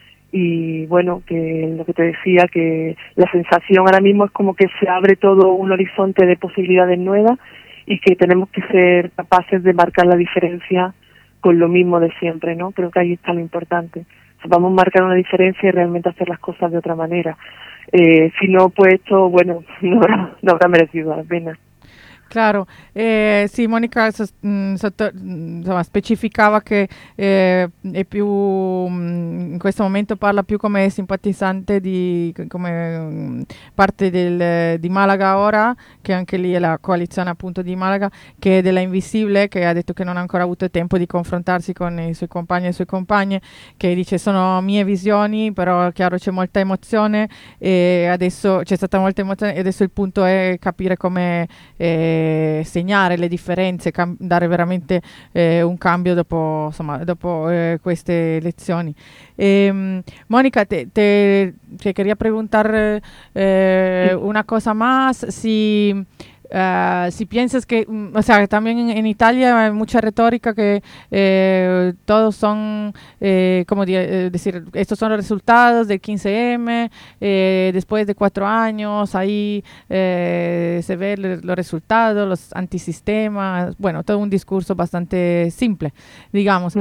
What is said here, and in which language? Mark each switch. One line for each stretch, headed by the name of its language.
Spanish: Y bueno, que lo que te decía, que la sensación ahora mismo es como que se abre todo un horizonte de posibilidades nuevas y que tenemos que ser capaces de marcar la diferencia con lo mismo de siempre, ¿no? Creo que ahí está lo importante. O sea, vamos a marcar una diferencia y realmente hacer las cosas de otra manera. Si no, pues esto, bueno, no habrá merecido la pena.
Italian: Claro, sì, Monica insomma, specificava che è più in questo momento parla più come simpatizzante di come parte del, di Malaga ora, che anche lì è la coalizione appunto di Malaga, che è della Invisible, che ha detto che non ha ancora avuto tempo di confrontarsi con i suoi compagni e le sue compagne, che dice sono mie visioni, però chiaro c'è molta emozione e adesso c'è stata molta emozione e adesso il punto è capire come segnare le differenze, dare veramente un cambio dopo, insomma, dopo queste elezioni.
Spanish: Monica, te queria preguntar una cosa más, si si piensas que, o sea, también en Italia hay mucha retórica que todos son, como decir, estos son los resultados del 15M, después de 4 años, ahí se ve los resultados, los antisistemas, bueno, todo un discurso bastante simple, digamos.